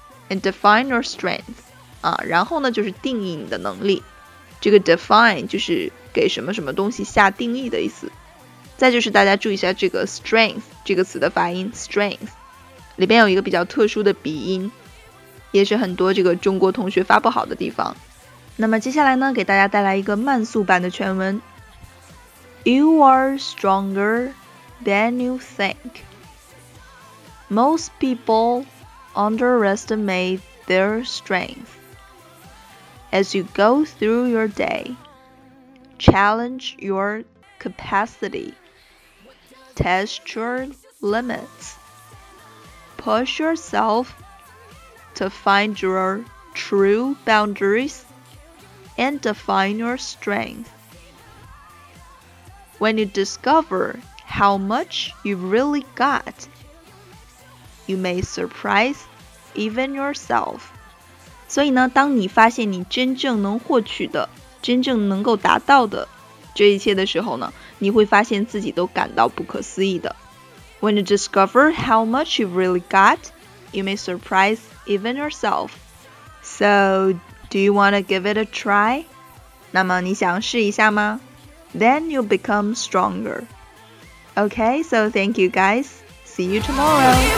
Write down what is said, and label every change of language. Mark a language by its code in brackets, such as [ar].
[en] And define your strength、 [zh] 然后呢就是定义你的能力，这个 define 就是给什么什么东西下定义的意思。再就是大家注意一下这个 strength 这个词的发音， strength 里边有一个比较特殊的鼻音，也是很多这个中国同学发不好的地方。那么接下来呢给大家带来一个慢速版的全文。 [en] You are stronger than you thinkMost people underestimate their strength. As you go through your day, challenge your capacity, test your limits, push yourself to find your true boundaries, and define your strength. When you discover how much you've really got,You may surprise even yourself. [zh] 所以呢，当你发现你真正能获取的、真正能够达到的这一切的时候呢，你会发现自己都感到不可思议的。 [en] When you discover how much you've really got, you may surprise even yourself. So, do you want to give it a try? [zh] 那么你想试一下吗？ [en] Then you'll become stronger. Okay, so thank you guys. See you tomorrow.